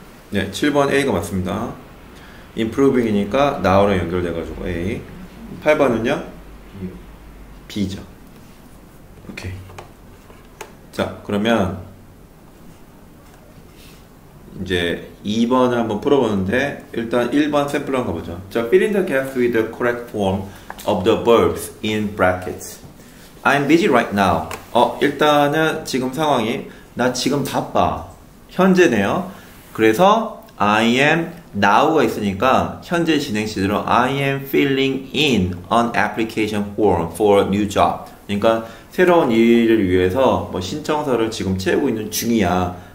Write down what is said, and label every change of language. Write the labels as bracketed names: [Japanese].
[Korean] 네, 7번 A가 맞습니다. Improving이니까 now랑 연결돼 가지고 A. 8번은요? B죠. 오케이. 자, 그러면 이제 2번을 한번 풀어보는데, 일단 1번 샘플로 한번 가보죠. [English] 자, fill in the gaps with the correct form of the verbs in brackets. I'm busy right now. [Korean] 일단은 지금 상황이, 나 지금 바빠. 현재네요. 그래서 [English] I am now가 [Korean] 있으니까, 현재 진행 시제로 [English] I am filling in an application form for a new job. [Korean] 그러니까 새로운 일을 위해서 뭐 신청서를 지금 채우고 있는 중이야.